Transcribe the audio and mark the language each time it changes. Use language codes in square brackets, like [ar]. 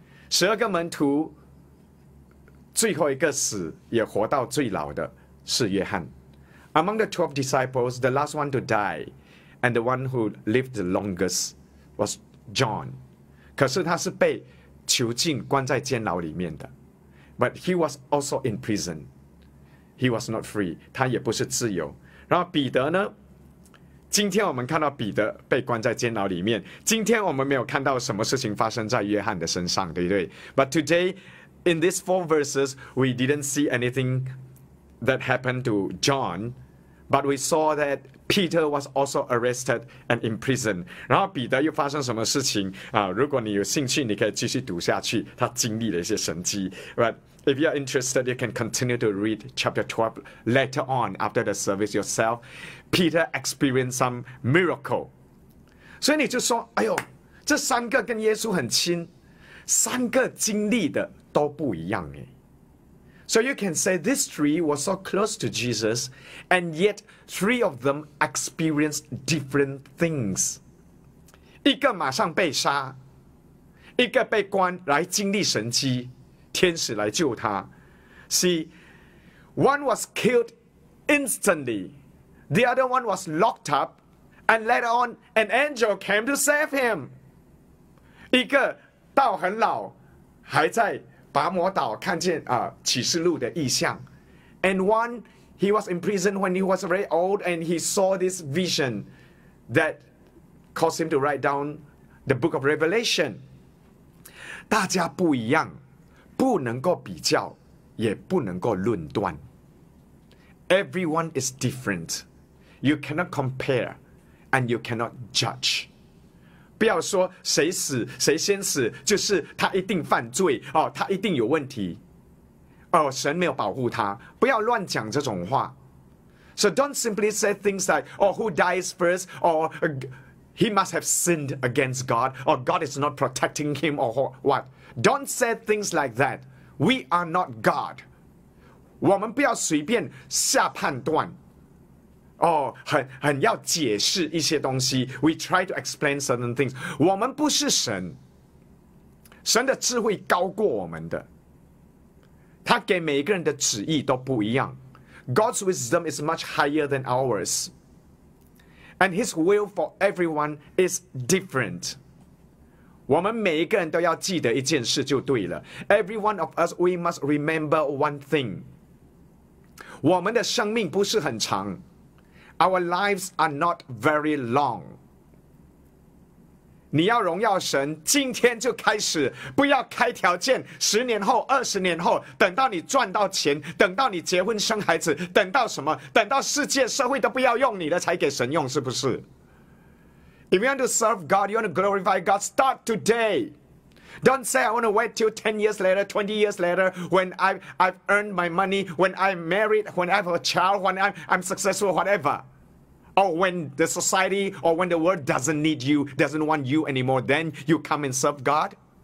[zh] 十二个门徒最后一个死也活到最老的是约翰。 [en] Among the 12 disciples, the last one to die, and the one who lived the longest was John. [zh] 可是他是被囚禁关在监牢里面的 ， [en] But he was also in prison. He was not free. [zh] 他也不是自由。然后彼得呢？今天我们看到彼得被关在监牢里面。今天我们没有看到什么事情发生在约翰的身上，对不对 ？ [en] But today, in these four verses, we didn't see anything that happened to John, but we saw that. Peter was also arrested and imprisoned. [zh] 然后彼得又发生什么事情、如果你有兴趣你可以继续读下去他经历了一些神迹。 [en] But if you are interested, you can continue to read chapter 12 later on after the service yourself. Peter experienced some miracle. [zh] 所以你就说哎呦这三个跟耶稣很亲三个经历的都不一样耶。 [en] So you can say these three were so close to Jesus, and yet three of them experienced different things. [zh] 一个马上被杀，一个被关来经历神迹，天使来救他。 [en] See, one was killed instantly, the other one was locked up, and later on, an angel came to save him. [zh] 一个到很老，还在拔摩岛看见启示录的意象 ， [en] and one he was in prison when he was very old and he saw this vision that caused him to write down the book of Revelation. [zh] 大家不一样，不能够比较，也不能够论断。 [en] Everyone is different. You cannot compare, and you cannot judge. [zh] 不要说谁死谁先死，就是他一定犯罪、哦、他一定有问题、哦、神没有保护他，不要乱讲这种话。 [en] So don't simply say things like, "Oh, who dies first?" Or he must have sinned against God, or God is not protecting him, or what? Don't say things like that. We are not God. [zh] 我们不要随便下判断。哦、oh, ，很要解释一些东西。 [en] We try to explain certain things. [zh] 我们不是神，神的智慧高过我们的。他给每一个人的旨意都不一样。 [en] God's wisdom is much higher than ours, and His will for everyone is different. [zh] 我们每一个人都要记得一件事就对了。 [en] Every one of us, we must remember one thing. [zh] 我们的生命不是很长。 [en] Our lives are not very long. [zh] 你要荣耀神，今天就开始，不要开条件，十年后、二十年后，等到你赚到钱，等到你结婚生孩子，等到什么？等到世界社会都不要用你了，才给神用，是不是？ [en] If you want to serve God, you want to glorify God, start today. Don't say, I want to wait till 10 years later, 20 years later, when I've earned my money, when I'm married, when I have a child, when I'm successful, whatever. Or when the society or when the world doesn't need you, doesn't want you anymore, then you come and serve God.